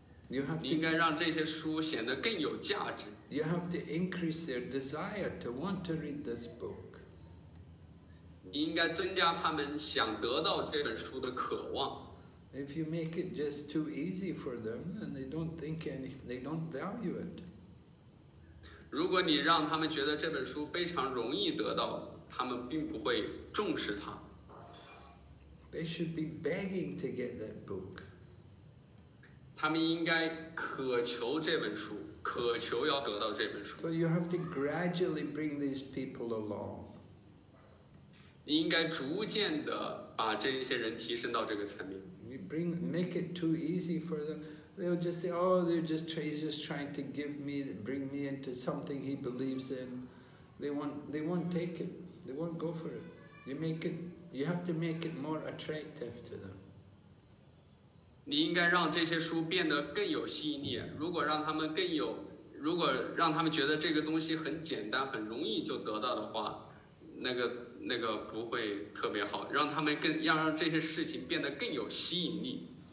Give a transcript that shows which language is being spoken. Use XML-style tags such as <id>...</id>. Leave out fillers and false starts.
<en>You have to,</en> <zh>你应该让这些书显得更有价值。</zh> <en>You have to increase their desire to want to read this book.</en> <zh>你应该增加他们想得到这本书的渴望。</zh> <en>If you make it just too easy for them, then they don't think anything, they don't value it.</en> <zh>如果你让他们觉得这本书非常容易得到，他们并不会重视它。</zh> <en>They should be begging to get that book.</en> <zh>他们应该渴求这本书，渴求要得到这本书。</zh> <en>So you have to gradually bring these people along.</en> <zh>你应该逐渐地把这些人提升到这个层面。</zh> <en>You bring, make it too easy for them. They'll just say, oh, they're just, he's just trying to give me, bring me into something he believes in. They won't take it. They won't go for it. You make it, you have to make it more attractive to them.</en> <zh>你应该让这些书变得更有吸引力。如果让他们更有，如果让他们觉得这个东西很简单，很容易就得到的话，那个那个不会特别好，让他们更要让这些事情变得更有吸引力。</zh>